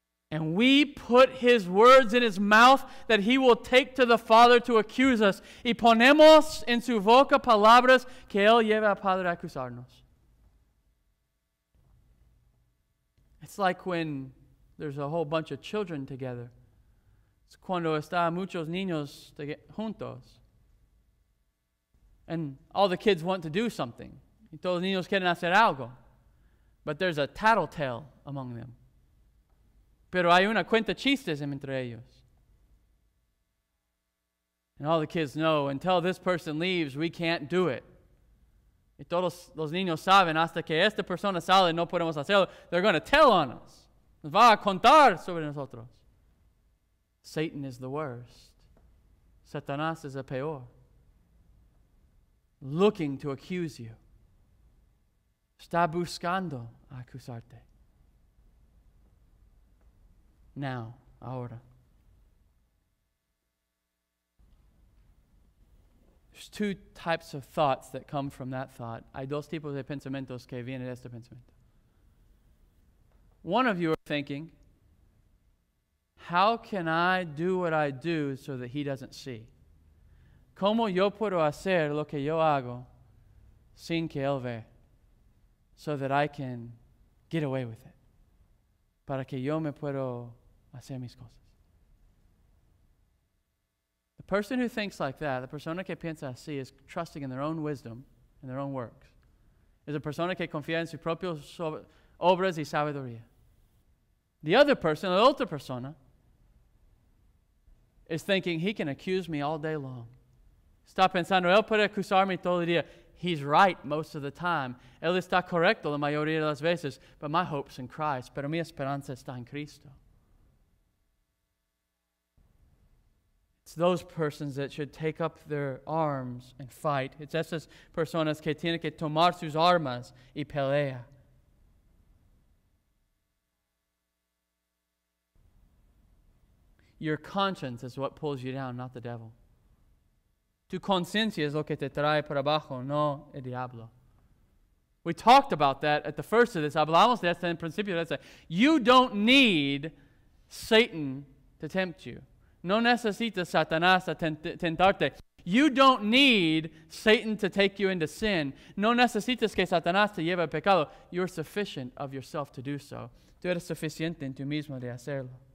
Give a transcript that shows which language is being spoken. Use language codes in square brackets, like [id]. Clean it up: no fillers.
[en] And we put his words in his mouth that he will take to the Father to accuse us. [es] Y ponemos en su boca palabras que él lleva al Padre a acusarnos. [en] It's like when there's a whole bunch of children together. [es] It's cuando está muchos niños juntos. [en] And all the kids want to do something. [es] Y todos los niños quieren hacer algo. [en] But there's a tattletale among them. [es] Pero hay una cuenta chistes entre ellos. [en] And all the kids know, until this person leaves, we can't do it. [es] Y todos los niños saben, hasta que esta persona sale, no podemos hacerlo. [en] They're going to tell on us. [es] Nos va a contar sobre nosotros. [en] Satan is the worst. Satanás is the peor. [es] Looking to accuse you. Está buscando acusarte. [en] Now, ahora. There's two types of thoughts that come from that thought. [es] Hay dos tipos de pensamientos que vienen de este pensamiento. [en] One of you are thinking, how can I do what I do so that he doesn't see? [es] ¿Cómo yo puedo hacer lo que yo hago sin que él vea? [en] So that I can get away with it. [es] Para que yo me puedo hacer mis cosas. [en] The person who thinks like that, the [es] persona que piensa así, [en] is trusting in their own wisdom and their own works. [es] Es la persona que confía en sus propias obras y sabiduría. [en] The other person, the other persona, is thinking he can accuse me all day long. [es] Está pensando, él puede acusarme todo el día. [en] He's right most of the time. [es] Él está correcto la mayoría de las veces. [en] But my hope's in Christ. [es] Pero mi esperanza está en Cristo. [en] It's those persons that should take up their arms and fight. [es] It's esas personas que tienen que tomar sus armas y pelea. [en] Your conscience is what pulls you down, not the devil. [es] Tu conciencia es lo que te trae para abajo, no el diablo. We talked about that at the first of this. Hablamos de esto en principio. [en] You don't need Satan to tempt you. [es] No necesitas Satanás a tentarte. [en] You don't need Satan to take you into sin. [es] No necesitas que Satanás te lleve a pecado. [en] You're sufficient of yourself to do so. [es] Tú eres suficiente en tú mismo de hacerlo.